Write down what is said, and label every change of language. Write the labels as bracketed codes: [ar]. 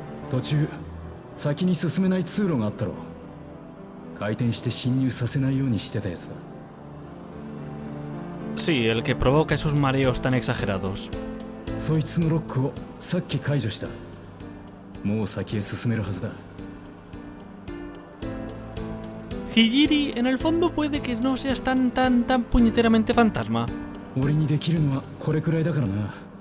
[ja] Tochuu 先に進めない通路があったろ。回転して侵入させないようにしてたやつだ。 [es] Sí, el que provoca esos mareos tan exagerados. [ja] そいつのロックをさっき解除した。もう先へ進めるはずだ。 [es] Hijiri, en el fondo puede que no seas tan puñeteramente fantasma. [ja] 俺にできるのはこれくらいだからな。